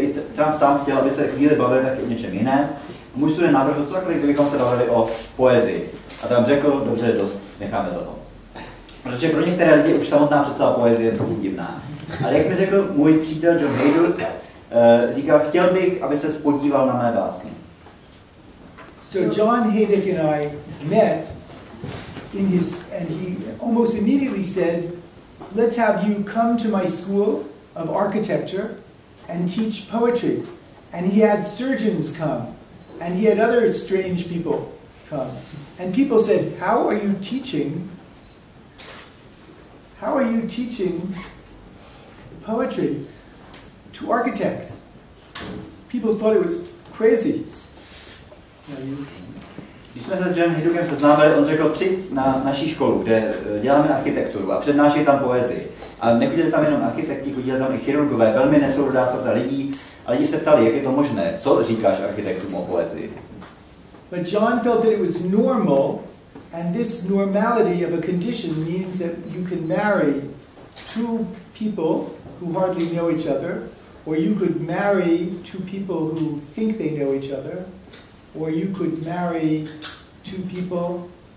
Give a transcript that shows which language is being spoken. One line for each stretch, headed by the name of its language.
Czech: I Trump sám chtěl, aby se chvíli bavili taky o něčem jiném. A můj student navrhl, co takhle, kdybychom se bavili o poezii. A tam řekl, dobře, dost, necháme to. Protože pro některé lidi už samotná představa poezie je divná. Ale jak mi řekl můj přítel John Hayduk, říkal, chtěl bych, aby se podíval na mé básně.
English: So John Hayduk and I met in his, and he almost immediately said, let's have you come to my school of architecture and teach poetry. And he had surgeons come, and he had other strange people come. And people said, how are you teaching? How are you teaching poetry to architects? People thought it was crazy.
Czech: Když jsme se s Johnem Hejdukem seznámili, on řekl, přijď na naší školu, kde děláme architekturu a přednášejí tam poezii. A nechodili tam jenom architekti, chodili tam i chirurgové, velmi nesourodá sorta lidí. A lidi se ptali, jak je to možné, co říkáš architektům o poezii.
English: But John felt that it was normal, and this normality of a condition means that you can marry two people who hardly know each other, or you could marry two people who think they know each other, or you could marry two people.